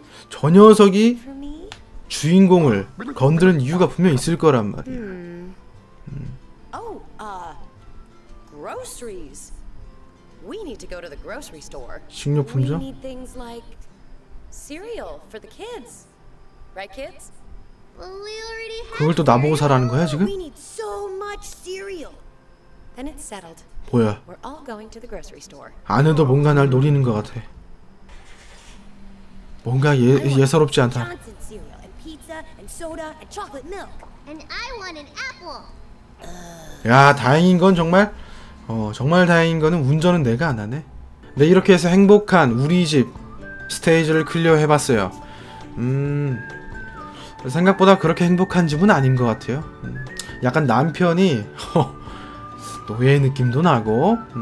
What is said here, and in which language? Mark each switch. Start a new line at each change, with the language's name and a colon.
Korean: 저 녀석이 주인공을 건드는 이유가 분명 있을 거란 말이야.
English: Groceries. We need to go to the grocery store.
Korean: 식료품점?
English: We need things like cereal for the kids. Right kids? Well, we already have.
Korean: 그걸 또 나보고 사라는 거야, 지금?
English: We need so much cereal. Then it's settled.
Korean: 뭐야?
English: We're all going to the grocery store.
Korean: 아내도 뭔가 날 노리는 것 같아. 뭔가 예사롭지 않다.
English: Johnson cereal and pizza and soda and chocolate milk. And I want an apple.
Korean: 야, 다행인 건 정말 정말 다행인 거는 운전은 내가 안 하네. 네, 이렇게 해서 행복한 우리 집 스테이지를 클리어 해봤어요. 생각보다 그렇게 행복한 집은 아닌 것 같아요. 약간 남편이 노예 느낌도 나고.